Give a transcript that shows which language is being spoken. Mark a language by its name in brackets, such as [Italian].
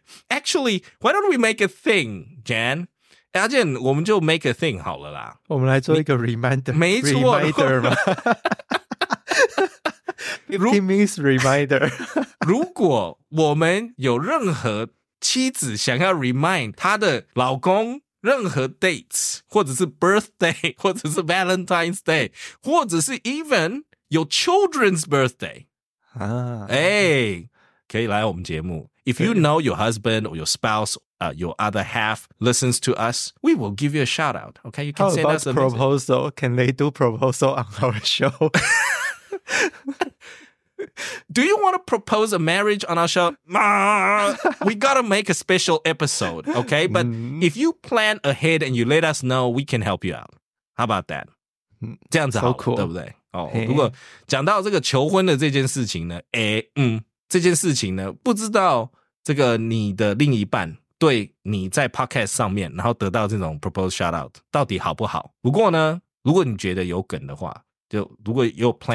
[English] Actually, why don't we make a thing, Jan? Jan, [Chinese] 我们就 [English] make a thing [Chinese] 好了啦。我们来做一个 reminder. 没错。 Reminder 吗? [English] It means reminder. [Chinese] 如果我们有任何妻子想要 remind 她的老公任何 dates, 或者是 birthday, 或者是 Valentine's Day, 或者是 [English] even your children's birthday, [Chinese] 哎、欸、可以来我们节目 [English] If you know your husband or your spouse、your other half listens to us We will give you a shout out Okay, you can send us a proposal、message. Can they do proposal on our show? Do you want to propose a marriage on our show? We gotta make a special episode Okay, but if you plan ahead and you let us know We can help you out How about that? [Chinese] 这样子好了、 [English] so cool. [Chinese] 对不对哦、如果讲到这个求婚的这件事情呢诶嗯这件事情呢不知道这个你的另一半对你在 podcast 上面然后得到这种 proposed shout out 到底好不好不过呢如果你觉得有梗的话就如果有 plan